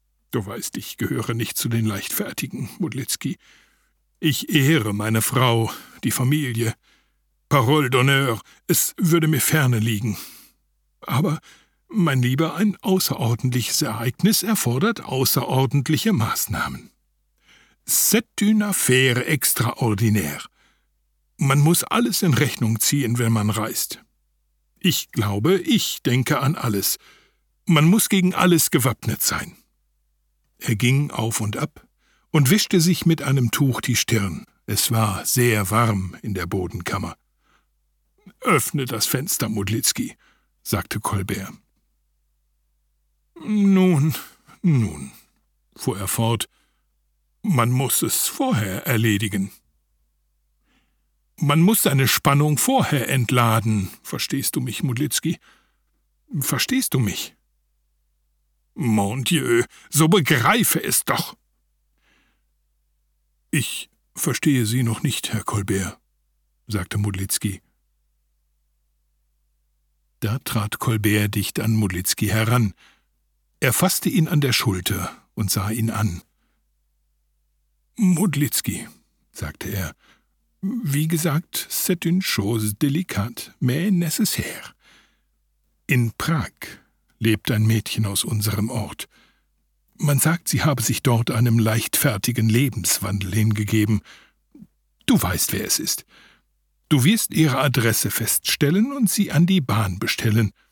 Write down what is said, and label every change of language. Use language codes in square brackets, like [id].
[de] Du weißt, ich gehöre nicht zu den Leichtfertigen, Modlitzki. Ich ehre meine Frau, die Familie. Parole d'honneur, es würde mir ferne liegen. Aber, mein Lieber, ein außerordentliches Ereignis erfordert außerordentliche Maßnahmen. [fr] C'est une affaire extraordinaire. [de] Man muss alles in Rechnung ziehen, wenn man reist. Ich glaube, ich denke an alles. Man muss gegen alles gewappnet sein. Er ging auf und ab und wischte sich mit einem Tuch die Stirn. Es war sehr warm in der Bodenkammer. »Öffne das Fenster, Modlitzki«, sagte Colbert. »Nun«, fuhr er fort, »man muss es vorher erledigen.« »Man muss seine Spannung vorher entladen, verstehst du mich, Modlitzki? Verstehst du mich?« » Mon Dieu, so begreife es doch!« »Ich verstehe Sie noch nicht, Herr Colbert«, sagte Modlitzki. Da trat Colbert dicht an Modlitzki heran. Er fasste ihn an der Schulter und sah ihn an. [fr] »Modlitzki«, sagte er, »wie gesagt, c'est une chose délicate, mais nécessaire. [de] In Prag lebt ein Mädchen aus unserem Ort. Man sagt, sie habe sich dort einem leichtfertigen Lebenswandel hingegeben. Du weißt, wer es ist. Du wirst ihre Adresse feststellen und sie an die Bahn bestellen.